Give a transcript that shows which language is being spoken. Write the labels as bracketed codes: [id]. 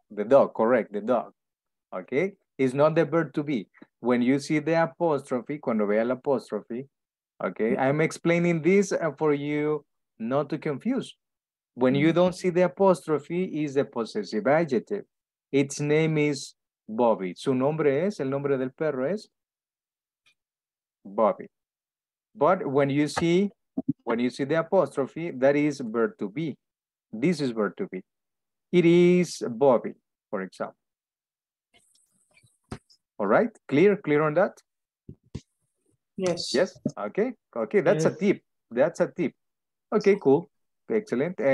[en] The dog, correct, the dog. Okay, it's not the verb to be. When you see the apostrophe, [es] cuando vea la apostrophe, [en] okay, I'm explaining this for you not to confuse. When you don't see the apostrophe, it's the possessive adjective. Its name is Bobby. [es] Su nombre es, el nombre del perro es Bobby. [en] But when you see the apostrophe, that is verb to be. This is verb to be. It is Bobby, for example. All right, clear on that? Yes. Okay, that's yes. A tip. That's a tip. Okay, cool. Excellent.